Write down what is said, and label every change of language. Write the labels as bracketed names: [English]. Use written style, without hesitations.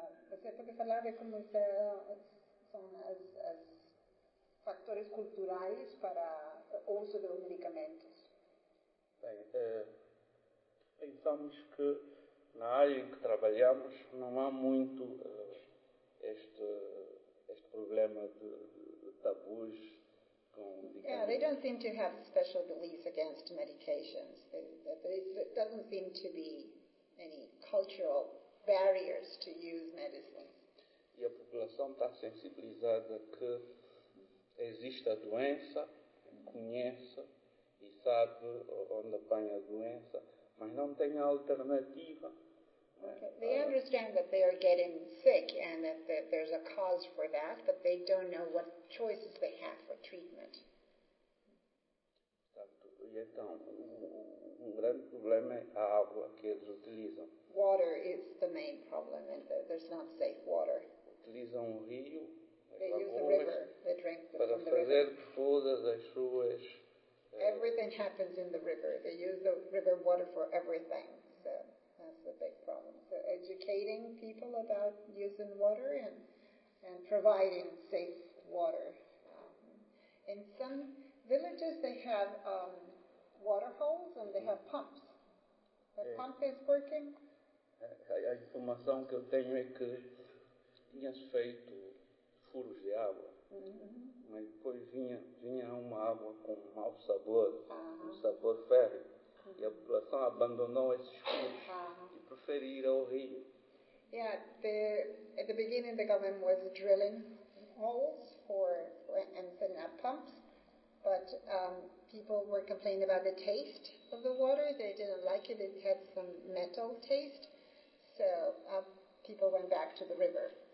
[Portuguese] Você pode falar de como são as fatores culturais para o uso dos medicamentos? Bem, pensamos que na área em que trabalhamos não há muito este problema de tabus com medicamentos. [English] Yeah, they don't seem to have special beliefs against medications. It doesn't seem to be any cultural barriers to use medicine. [Portuguese] E a população está sensibilizada que existe a doença, conhece e sabe onde apanha a doença, mas não tem alternativa. Okay. [English] They understand that they are getting sick and that there's a cause for that, but they don't know what choices they have for treatment. [Portuguese] Então, um grande problema é a água que eles utilizam. [English] Water is the main problem, and there's not safe water. [Portuguese] Utilizam o rio, [English] they use the river, they drink from the river. [Portuguese] Para fazer todas as suas. [English] Everything happens in the river. They use the river water for everything. So that's a big problem. So educating people about using water and providing safe water. In some villages, they have water holes and they have pumps. The pump is working. [Portuguese] A informação que eu tenho é que tinha-se feito furos de água, uhum. Mas depois vinha uma água com um mau sabor, um sabor férreo, uhum. E a população abandonou esses furos e preferiu ir ao rio. [English] Yeah, at the beginning the government was drilling holes for and setting up pumps, but people were complaining about the taste of the water. They didn't like it. It had some metal taste. So people went back to the river.